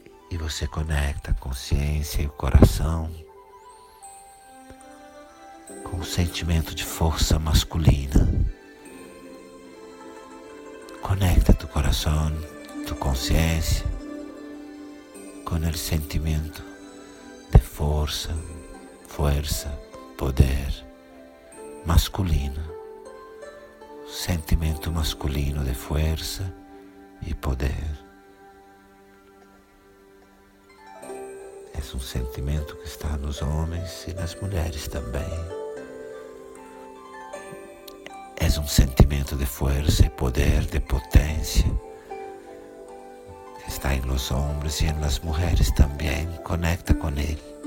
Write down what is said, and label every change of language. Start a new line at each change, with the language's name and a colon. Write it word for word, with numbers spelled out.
Portuguese: E você conecta a consciência e o coração com o sentimento de força masculina.
Spanish: Conecta tu corazón, tu conciencia con el sentimiento de fuerza, fuerza, poder masculino, sentimiento masculino de fuerza y poder. Es un sentimiento que está en los hombres y en las mujeres también.
Portuguese: É um sentimento de força e poder, de potência, que está em
Spanish: los hombres
Portuguese: e em las mulheres também. Conecta com ele.